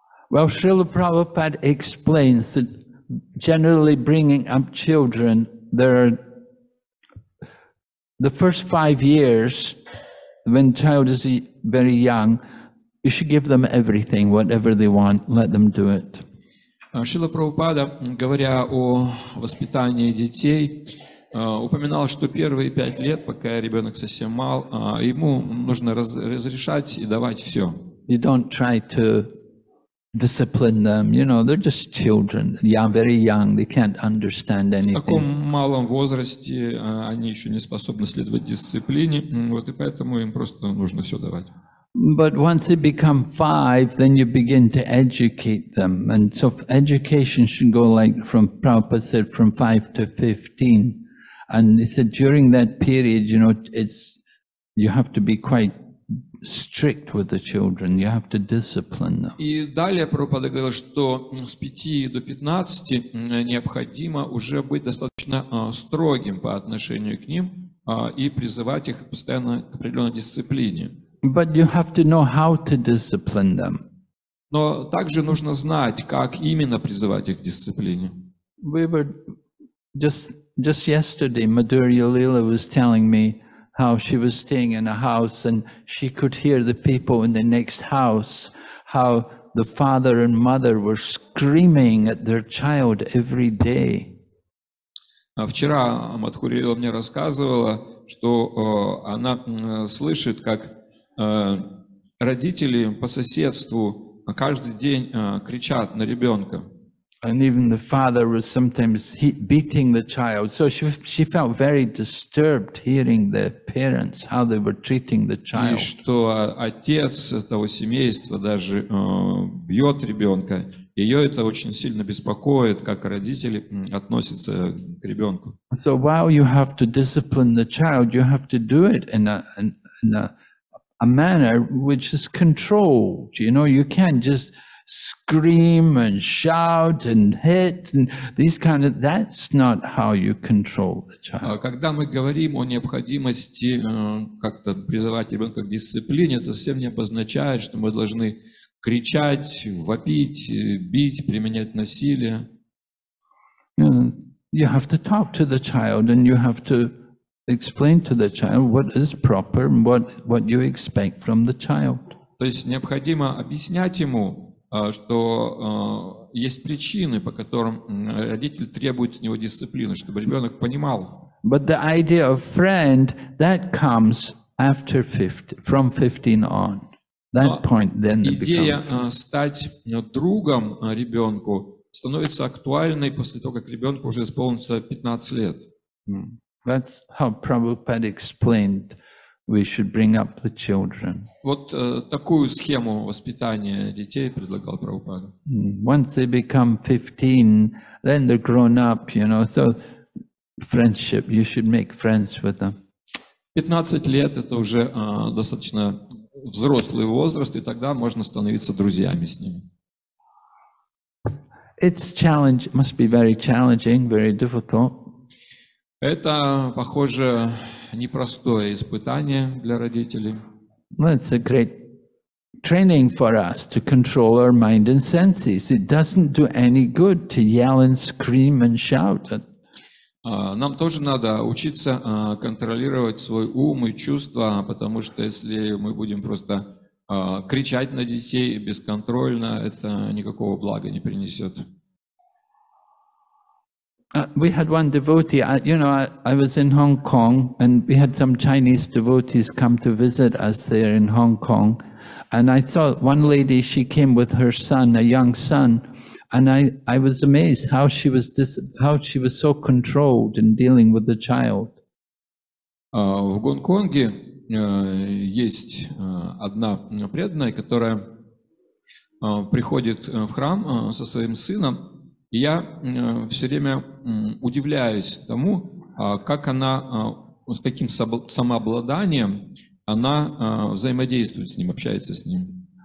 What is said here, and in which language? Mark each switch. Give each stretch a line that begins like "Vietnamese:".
English: Well, Srila Prabhupada explains that generally bringing up children, there are the first 5 years, when a child is very young, you should give them everything, whatever they want, let them do it.
Russian: Шрила Прабхупада, говоря о воспитании детей, упоминал, что первые 5 лет, пока ребенок совсем мал, ему нужно разрешать и давать все.
English: You don't try to discipline them, you know, they're just children. They are very young, they can't understand anything.
Russian: В таком малом возрасте они еще не способны следовать дисциплине, вот и поэтому им просто нужно все давать.
English: But once they become 5, then you begin to educate them. And so education should go like from Prabhupada said, from 5 to 15. And he said during that period, you know, it's you have to be quite strict with the children, you have to discipline them.
Russian: И далее Прабхупада говорил, что с 5 до 15 необходимо уже быть достаточно строгим по отношению к ним и призывать их постоянно к определенной дисциплине.
English: But you have to know how to discipline them.
Russian: Но также нужно знать, как именно призывать их к дисциплине.
English: We were just yesterday Madhurya Lila was telling me how she was staying in a house and she could hear the people in the next house, how the father and mother were screaming at their child every day.
Russian: Вчера Мадхурила мне рассказывала, что она слышит, как родители по соседству каждый день кричат на ребенка.
English: And even the father was sometimes beating the child. So she felt very disturbed hearing the parents, how they were treating the child.
Russian: И что отец этого семейства даже бьет ребенка. Ее это очень сильно беспокоит, как родители относятся к ребенку.
English: So while you have to discipline the child, you have to do it in a manner which is controlled. You know, you can't just scream and shout and hit and these kind of, that's not how you control the child.
Russian: Когда мы говорим о необходимости как-то призывать ребенка к дисциплине, это совсем не обозначает, что мы должны кричать, вопить, бить, применять насилие.
English: You have to talk to the child and you have to explain to the child what is proper and what you expect from the child.
Russian: То есть необходимо объяснять ему, что есть причины, по которым родитель требует с него дисциплины, чтобы ребенок понимал.
English: But the idea of friend, that comes after 15, from 15 on. That point then becomes.
Russian: Идея стать другом ребенку становится актуальной после того, как ребенку уже исполнится 15 лет.
English: That's how Prabhupada explained we should bring up the children.
Russian: Вот такую схему воспитания детей предлагал Прабхупада.
English: Once they become 15, then they're grown up, you know, so friendship, you should make friends with them.
Russian: 15 лет — это уже достаточно взрослый возраст, и тогда можно становиться друзьями с ними.
English: It's challenge, must be very challenging, very difficult.
Russian: Это, похоже, непростое испытание для родителей.
English: Well, it's a great training for us to control our mind and senses. It doesn't do any good to yell and scream and shout.
Russian: Нам тоже надо учиться контролировать свой ум и чувства, потому что если мы будем просто кричать на детей бесконтрольно, это никакого блага не принесет.
English: We had one devotee, I was in Hong Kong, and we had some Chinese devotees come to visit us there in Hong Kong, and I saw one lady, she came with her son, a young son, and I was amazed how she was so controlled in dealing with the child.
Russian: В Гонконге есть одна преданная, которая приходит в храм со своим сыном. Я все время удивляюсь тому, как она, с таким самообладанием, она взаимодействует с ним, общается с ним.